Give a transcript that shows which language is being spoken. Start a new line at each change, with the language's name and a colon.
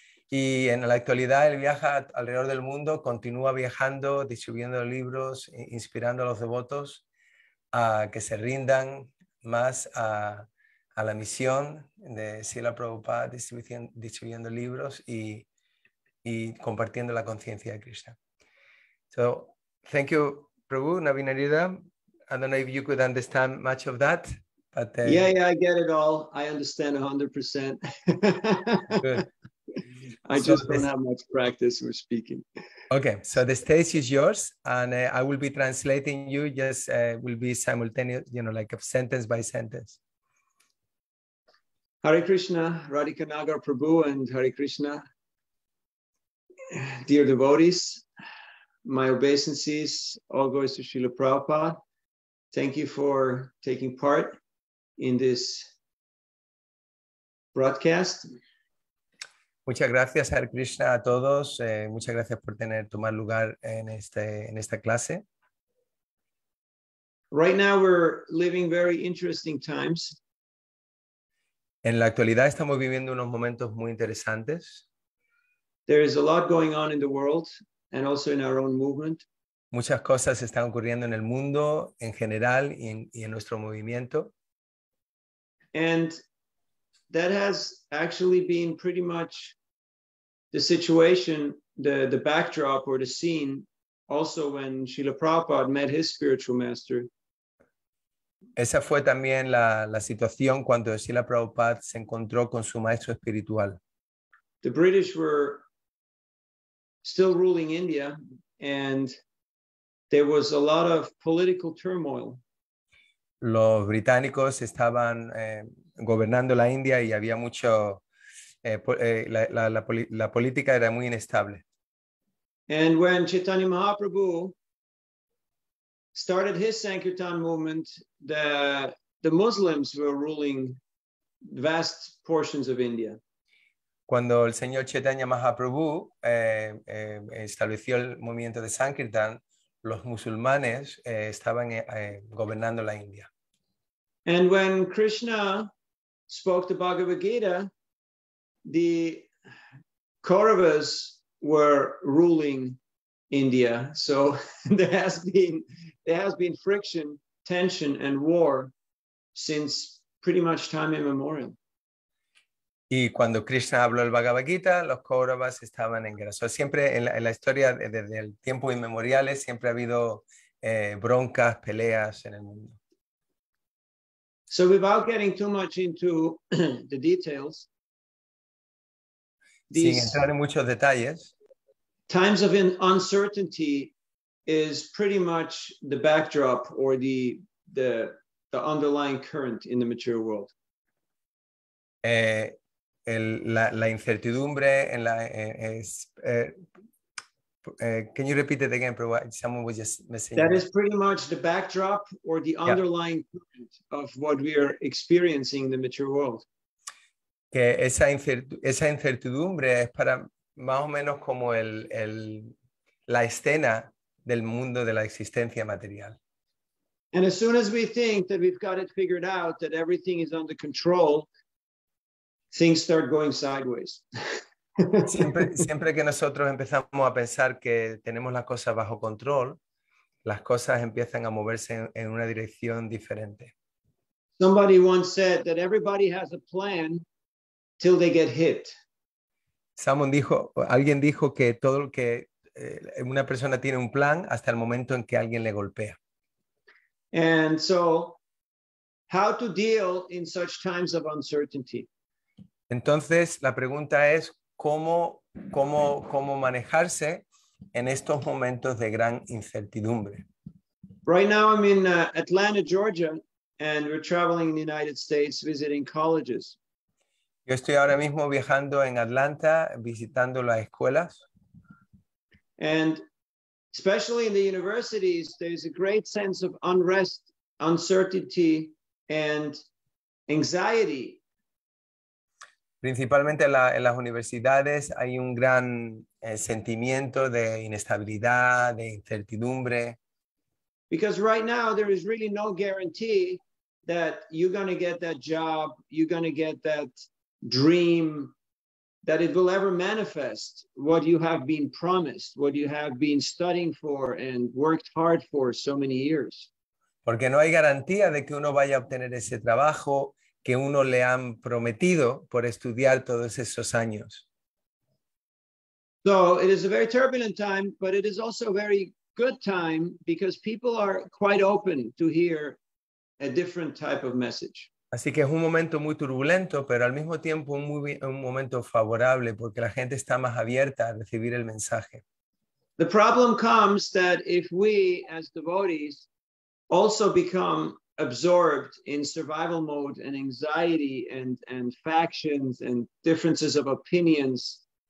Spanish: Y en la actualidad él viaja alrededor del mundo, continúa viajando, distribuyendo libros, inspirando a los devotos a que se rindan más a la misión de Srila Prabhupada, distribuyendo libros y compartiendo la conciencia de Krishna.
English: So, thank you, Prabhu, Navinanirada. I don't know if you could understand much of that, but... Yeah, I get it all. I understand 100%. Good. I just don't have much practice with speaking. Okay, so the stage is yours, and I will be translating you. Just will be simultaneous, you know, like a sentence by sentence. Hare Krishna, Radhika Nagar Prabhu, and Hare Krishna. Dear devotees, my obeisances all goes to Srila Prabhupada. Thank you for taking part in this broadcast.
Spanish: Muchas gracias, Hare Krishna, a todos. Muchas gracias por tomar lugar en esta clase.
English: Right now we're living very interesting times.
Spanish: En la actualidad estamos viviendo unos momentos muy interesantes.
English: There is a lot going on in the world and also in our own movement.
Spanish: Muchas cosas están ocurriendo en el mundo en general y en nuestro movimiento.
English: And that has actually been pretty much the situation, the backdrop or the scene, also when Srila Prabhupada met his spiritual master.
Spanish: Esa fue también la situación cuando Srila Prabhupada se encontró con su maestro espiritual.
English: The British were still ruling India and there was a lot of political turmoil.
Spanish: Los británicos estaban gobernando la India y había mucho la política era muy inestable.
English: And when Chaitanya Mahaprabhu started his Sankirtan movement, the Muslims were ruling vast portions of India.
Spanish: Cuando el señor Chaitanya Mahaprabhu estableció el movimiento de Sankirtan, los musulmanes estaban gobernando la India.
English: And when Krishna spoke the Bhagavad Gita, the Kauravas were ruling India. So there has been friction, tension, and war since pretty much time immemorial.
Spanish: Y cuando Krishna habló el Bhagavad Gita, los Kauravas estaban en guerra. So siempre en la historia desde el tiempo inmemorial siempre ha habido broncas, peleas en el mundo.
English: So without getting too much into the details,
Spanish: sin entrar en muchos detalles,
English: times of uncertainty is pretty much the backdrop or the underlying current in the mature world.
Spanish: La incertidumbre en la es.
English: Can you repeat it again? Someone was just missing. That is pretty much the backdrop or the underlying current of what we are experiencing in the mature world.
Spanish: Que esa incertidumbre es para más o menos como la escena del mundo de la existencia material.
English: And as soon as we think that we've got it figured out, that everything is under control, things start going sideways.
Spanish: Siempre que nosotros empezamos a pensar que tenemos las cosas bajo control, las cosas empiezan a moverse en una dirección diferente.
English: Somebody once said that everybody has a plan till they get hit.
Spanish: Alguien dijo que todo lo que una persona tiene un plan hasta el momento en que alguien le golpea.
English: And so, how to deal in such times of uncertainty?
Spanish: Entonces, la pregunta es cómo manejarse en estos momentos de gran incertidumbre.
English: Right now I'm in Atlanta, Georgia, and we're traveling in the United States visiting colleges.
Spanish: Yo estoy ahora mismo viajando en Atlanta, visitando las escuelas.
English: And especially in the universities, there's a great sense of unrest, uncertainty, and anxiety.
Spanish: Principalmente en las universidades hay un gran sentimiento de inestabilidad, de incertidumbre.
English: Because right now there is really no guarantee that you're going to get that job, you're going to get that dream, that it will ever manifest what you have been promised, what you have been studying for and worked hard for so many years.
Spanish: Porque no hay garantía de que uno vaya a obtener ese trabajo que uno le han prometido por estudiar todos esos años.
English: So it is a very turbulent time, but it is also a very good time because people are quite open to hear a different type of message.
Spanish: Así que es un momento muy turbulento, pero al mismo tiempo un momento favorable porque la gente está más abierta a recibir el mensaje.
English: The problem comes that if we as devotees also become absorbed in survival mode and anxiety and factions and differences of opinions.